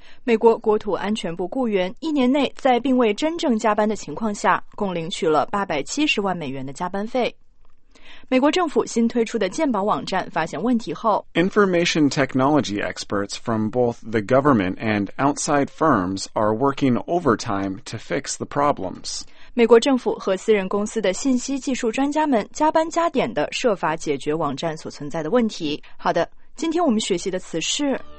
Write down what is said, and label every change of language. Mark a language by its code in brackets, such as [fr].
[zh] 美国国土安全部雇员一年内在并未真正加班的情况下共领取了870万美元的加班费。美国政府新推出的健保网站发现问题后 [en] Information technology experts from both the government and outside firms are working overtime to fix the problems. [zh] 美国政府和私人公司的信息技术专家们加班加点地设法解决网站所存在的问题。好的，今天我们学习的词是